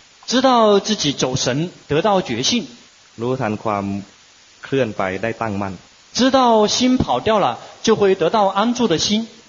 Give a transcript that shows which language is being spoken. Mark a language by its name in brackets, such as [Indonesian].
[Chinese] 知道自己走神得到觉性 [Thai] รู้ทันความเคลื่อนไปได้ตั้งมั่น [Chinese] 知道心跑掉了就会得到安住的心